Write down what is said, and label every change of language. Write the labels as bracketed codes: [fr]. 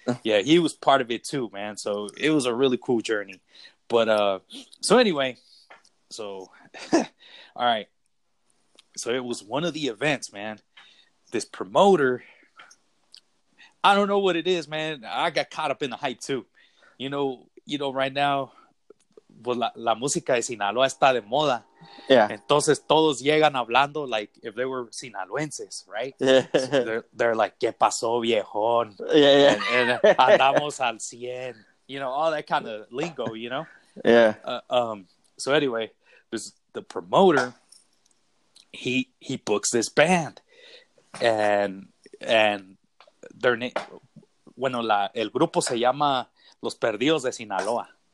[en] Yeah, he was part of it too, man. So it was a really cool journey. But so all right. So it was one of the events, man. This promoter, I don't know what it is, man. I got caught up in the hype too. You know, right now. [es] Pues la música de Sinaloa está de moda. [en] Yeah. [es] Entonces todos llegan hablando [en] like if they were Sinaloenses, right? Yeah. So they're like, [es] ¿qué pasó, viejón? [en] Yeah, yeah. [es] And andamos al cien. [en] You know, all that kind of lingo, you know? Yeah. So anyway, there's the promoter. He books this band. And their name, [es] bueno, el grupo se llama Los Perdidos de Sinaloa.